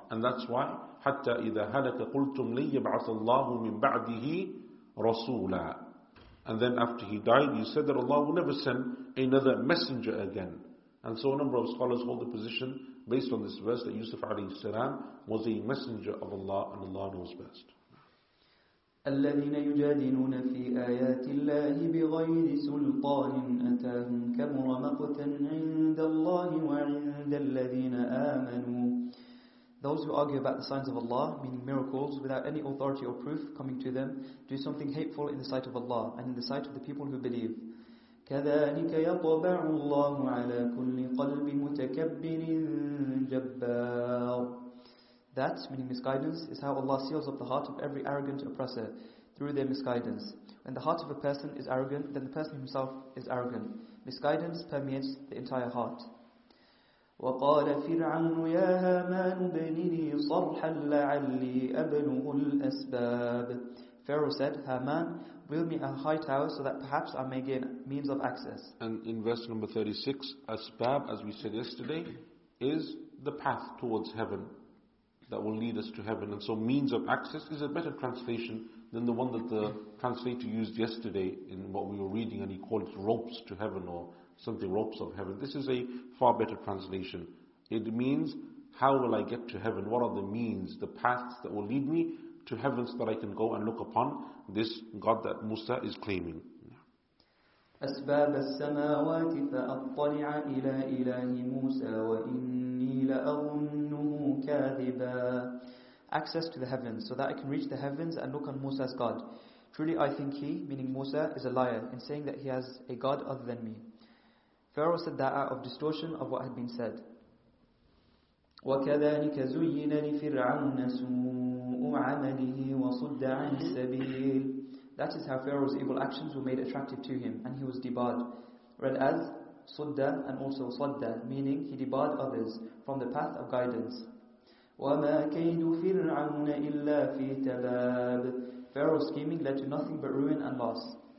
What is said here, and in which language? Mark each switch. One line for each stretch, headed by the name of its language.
English: And that's why,
Arabic: حَتَّى إِذَا هَلَكَ قُلْتُمْ لَنْ يَبْعَثَ اللَّهُ مِنْ بَعْدِهِ رَسُولًا.
English: And then after he died, he said that Allah will never send another messenger again. And so a number of scholars hold the position, based on this verse, that Yusuf alayhi salam was a messenger of Allah, and Allah knows best.
Arabic: الذين يجادلون في آيات الله بغير سلطان أتاهم كبر مقتا عند الله وعند الذين آمنوا.
English: Those who argue about the signs of Allah, meaning miracles, without any authority or proof coming to them, do something hateful in the sight of Allah and in the sight of the people who believe.
Arabic: كذلك يطبع الله على كل قلب متكبر جبار.
English: That, meaning misguidance, is how Allah seals up the heart of every arrogant oppressor through their misguidance. When the heart of a person is arrogant, then the person himself is arrogant. Misguidance permeates the entire heart.
Arabic: وَقَالَ فِرْعَوْنُ يَا هَامَانُ ابْنِ لِي صَرْحًا لَعَلِّي أَبْلُغُ الْأَسْبَابِ.
English: Pharaoh said, Haman, build me a high tower so that perhaps I may gain means of access. And in verse number 36, Asbab, as we said yesterday, is the path towards heaven that will lead us to heaven. And so means of access is a better translation than the one that the translator used yesterday in what we were reading, and he called it ropes to heaven or something, ropes of heaven. This is a far better translation. It means, how will I get to heaven? What are the means, the paths that will lead me to heaven so that I can go and look upon this God that Musa is claiming?
Arabic: أسباب السماوات فأطلع إلى إله موسى وإني لأظنه كاذبا.
English: Access to the heavens, so that I can reach the heavens and look on Musa's God. Truly I think he, meaning Musa, is a liar in saying that he has a God other than me. Pharaoh said that out of distortion of what had been said.
Arabic: وكذلك زين لفرعون سوء عمله وصد عن السبيل.
English: That is how Pharaoh's evil actions were made attractive to him, and he was debarred. Read as, Sudda, and also Sadda, meaning he debarred others from the path of guidance.
Arabic: وَمَا كَيْدُ فِرْعَوْنَ إِلَّا فِي تَبَابٍ.
English: Pharaoh's scheming led to nothing but ruin and loss.